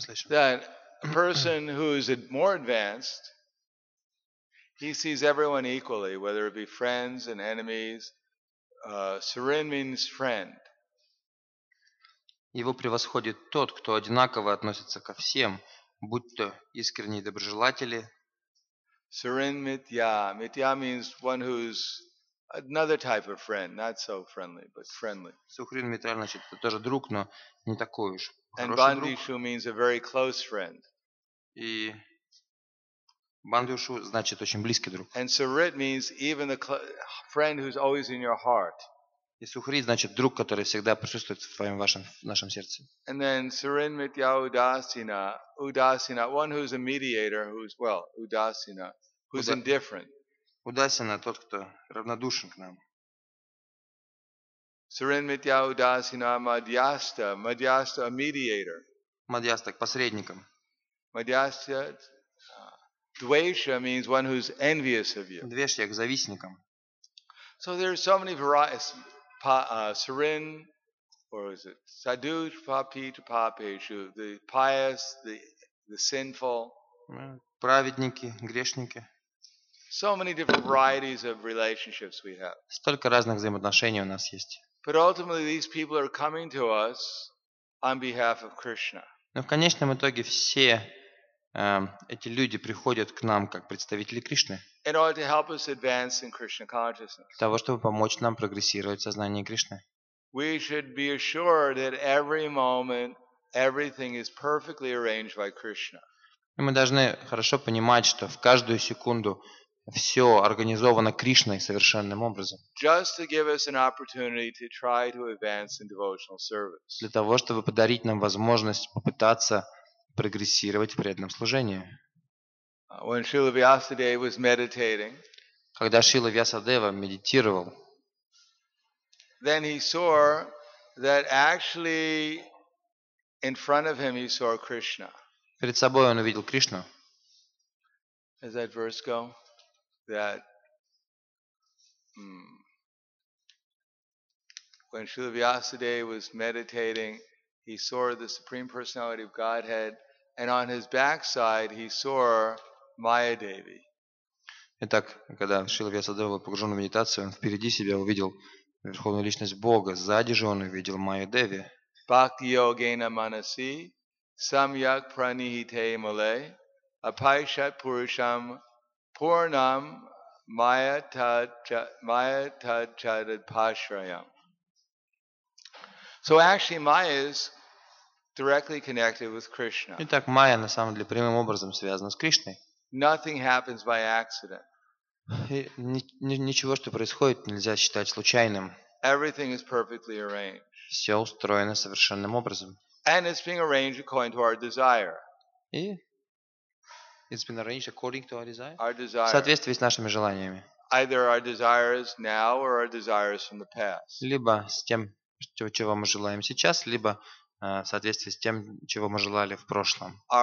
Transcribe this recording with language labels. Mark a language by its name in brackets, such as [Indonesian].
[English] That a person who is more advanced, he sees everyone equally, whether it be friends and enemies. Surin means friend. [Russian] Его превосходит тот, кто одинаково относится ко всем, будь то искренние доброжелатели. [Sanskrit] Sarin Mithya. [English] Mithya means one who's another type of friend, not so friendly, but friendly. [Russian] Sukhrin Mithya, значит, это тоже друг, но не такой уж хороший друг. [English] And Bandishu means a very close friend. [Russian] И Bandishu, значит, очень близкий друг. [English] And Sarit means even the friend who's always in your heart. [Russian] И Сухрит, значит, друг, который всегда присутствует в твоем, вашем, в нашем сердце. [English] And then Sarin Mithya Udasina. Udasina, one who's a mediator, who's, well, Udasina, who's indifferent. [Russian] Udasina, тот, кто равнодушен к нам. [English] Sarin Mithya Udasina Madhyasta. Madhyasta, a mediator. [Russian] Madhyasta, к посредникам. [English] Madhyasta, Dvesha means one who's envious of you. [Russian] Dvesha, к завистникам. [English] So there are so many varieties. Sarin, or is it Sadhu Papi to Papeshu, the pious, the sinful. [Russian] Праведники, грешники. [English] So many different varieties of relationships we have. [Russian] Столько разных взаимоотношений у нас есть. [English] But ultimately these people are coming to us on behalf of Krishna. [Russian] Но в конечном итоге все эти люди приходят к нам как представители Кришны. [English] In order to help us advance in Krishna consciousness. [Russian] Для того, чтобы помочь нам прогрессировать в сознании Кришны. [English] We should be assured that every moment everything is perfectly arranged by Krishna. [Russian] И мы должны хорошо понимать, что в каждую секунду все организовано Кришной совершенным образом. [English] Just to give us an opportunity to try to advance in devotional service. [Russian] Для того, чтобы подарить нам возможность попытаться прогрессировать в преданном служении. [English] When Srila Vyasadeva was meditating, [Russian] когда Шрила Вьясадева медитировал, [English] then he saw that actually in front of him he saw Krishna. [Russian] Перед собой он увидел Кришну. [English] As that verse go, that when Srila Vyasadeva was meditating, he saw the Supreme Personality of Godhead. And on his backside he saw Maya Devi. [Russian] Итак, когда Шрила Вьясадева был погружен в медитацию, он впереди себя увидел Верховную Личность Бога, сзади же он увидел Майя Деви. [Sanskrit] Bhakti Yogena Manasi Samyak Pranihite Male Apaishat Purusham Purnam Maya Tad Chadad Pashrayam. [English] So actually Maya is directly connected with Krishna. [Russian] Итак, майя на самом деле прямым образом связана с Кришной. [English] Nothing happens by accident. [Russian] Ничего, что происходит, нельзя считать случайным. [English] Everything is perfectly arranged. [Russian] Все устроено совершенным образом. [English] And it's being arranged according to our desire. И it's been arranged according to our desire. Our desire. [Russian] В соответствии с нашими желаниями. [English] Either our desires now or our desires from the past. [Russian] Либо с тем, чего мы желаем сейчас, либо в соответствии с тем, чего мы желали в прошлом.